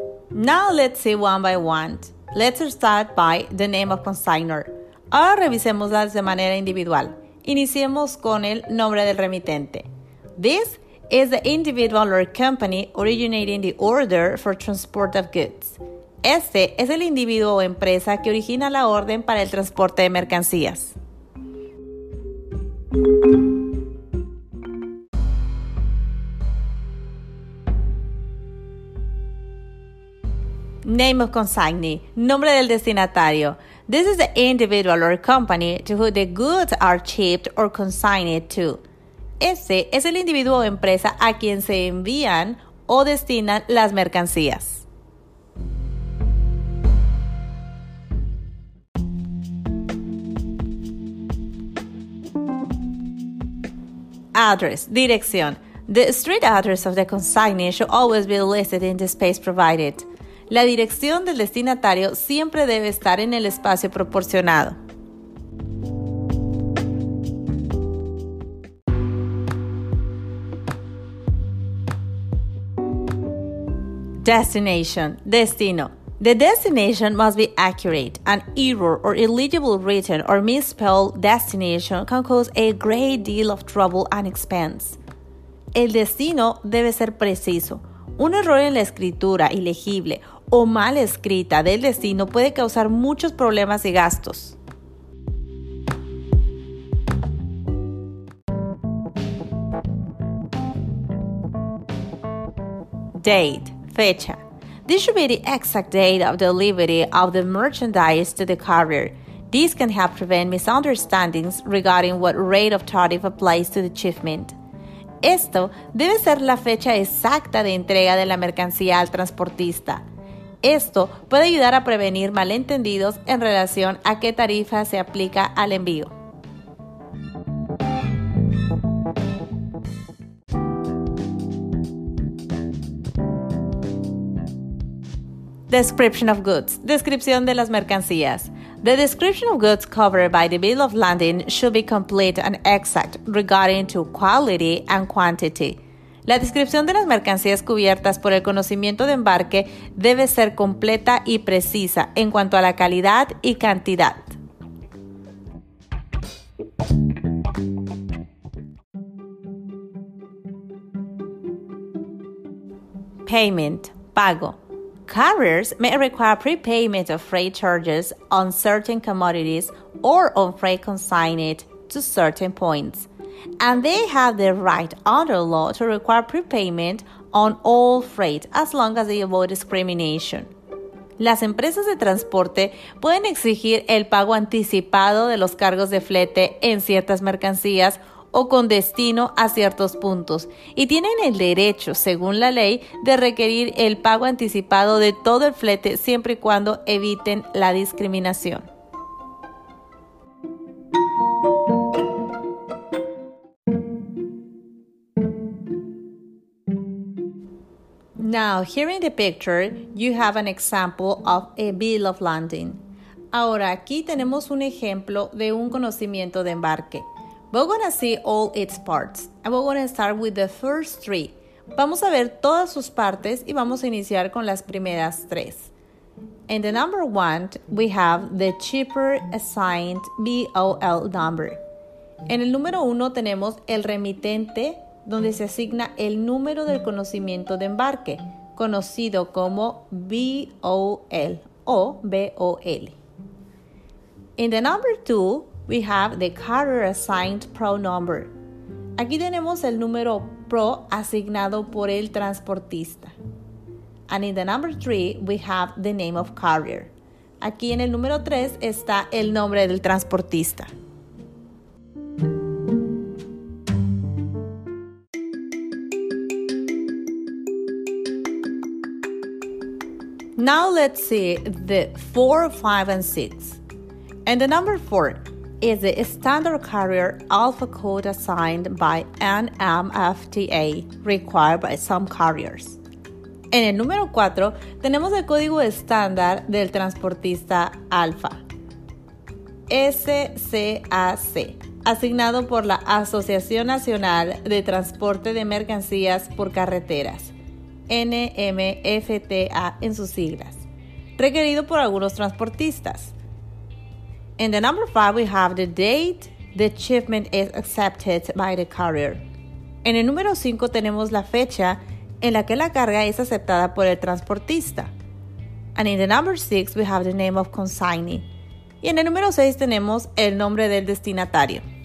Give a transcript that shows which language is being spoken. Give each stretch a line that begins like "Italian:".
English: Now let's see one by one. Let's start by the name of consignor.
Spanish: Ahora revisémoslas de manera individual. Iniciemos con el nombre del remitente.
English: This is the individual or company originating the order for transport of goods.
Spanish: Este es el individuo o empresa que origina la orden para el transporte de mercancías.
English: Name of consignee,
Spanish: nombre del destinatario.
English: This is the individual or company to whom the goods are shipped or consigned to.
Spanish: Ese es el individuo o empresa a quien se envían o destinan las mercancías.
English: Address, dirección. The street address of the consignee should always be listed in the space provided.
Spanish: La dirección del destinatario siempre debe estar en el espacio proporcionado.
English: Destination, destino. The destination must be accurate. An error or illegible written or misspelled destination can cause a great deal of trouble and expense.
Spanish: El destino debe ser preciso. Un error en la escritura ilegible o mal escrita del destino puede causar muchos problemas y gastos.
English: Date, fecha. This should be the exact date of delivery of the merchandise to the carrier. This can help prevent misunderstandings regarding what rate of tariff applies to the shipment.
Spanish: Esto debe ser la fecha exacta de entrega de la mercancía al transportista. Esto puede ayudar a prevenir malentendidos en relación a qué tarifa se aplica al envío.
English: Description of goods.
Spanish: Descripción de las mercancías.
English: The description of goods covered by the bill of lading should be complete and exact regarding to quality and quantity.
Spanish: La descripción de las mercancías cubiertas por el conocimiento de embarque debe ser completa y precisa en cuanto a la calidad y cantidad.
English: Payment, pago. Carriers may require prepayment of freight charges on certain commodities or on freight consigned to certain points, and they have the right under law to require prepayment on all freight as long as they avoid discrimination.
Spanish: Las empresas de transporte pueden exigir el pago anticipado de los cargos de flete en ciertas mercancías o con destino a ciertos puntos, y tienen el derecho, según la ley, de requerir el pago anticipado de todo el flete siempre y cuando eviten la discriminación.
English: Now, here in the picture, you have an example of a bill of lading.
Spanish: Ahora, aquí tenemos un ejemplo de un conocimiento de embarque.
English: We're going to see all its parts, and we're going to start with the first three.
Spanish: Vamos a ver todas sus partes y vamos a iniciar con las primeras tres.
English: In the number one, we have the shipper assigned BOL number.
Spanish: En el número uno tenemos el remitente, donde se asigna el número del conocimiento de embarque, conocido como BOL o BOL.
English: In the number two, we have the carrier assigned PRO number.
Spanish: Aquí tenemos el número PRO asignado por el transportista.
English: And in the number three, we have the name of carrier.
Spanish: Aquí en el número tres está el nombre del transportista.
English: Now let's see the four, five, and six. And the number four is the standard carrier alpha code assigned by NMFTA, required by some carriers.
Spanish: En el número 4, tenemos el código estándar del transportista alfa, SCAC, asignado por la Asociación Nacional de Transporte de Mercancías por Carreteras, NMFTA en sus siglas, requerido por algunos transportistas.
English: In the number 5, we have the date the shipment is accepted by the carrier.
Spanish: En el número 5, tenemos la fecha en la que la carga es aceptada por el transportista.
English: And in the number 6, we have the name of consignee.
Spanish: Y en el número 6, tenemos el nombre del destinatario.